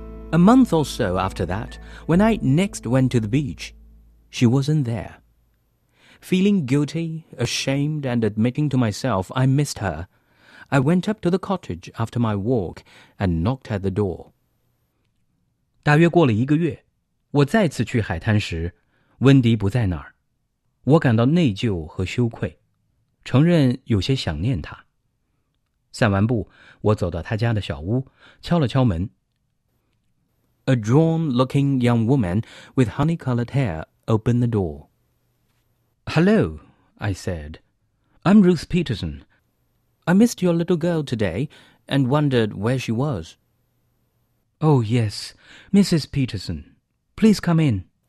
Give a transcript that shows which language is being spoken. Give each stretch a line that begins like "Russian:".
English: A month or so after that, when I next went to the beach, she wasn't there. Feeling guilty, ashamed, and admitting to myself I missed her,I went up to the cottage after my walk and knocked at the door.
Chinese: 大约过了一个月，我再次去海滩时，温迪不在那儿。我感到内疚和羞愧，承认有些想念他。散完步，我走到他家的小屋，敲了敲门。
English: A drawn-looking young woman with honey-colored hair opened the door. Hello, I said. I'm Ruth Peterson. I missed your little girl today and wondered where she was. Oh, yes, Mrs. Peterson. Please come in.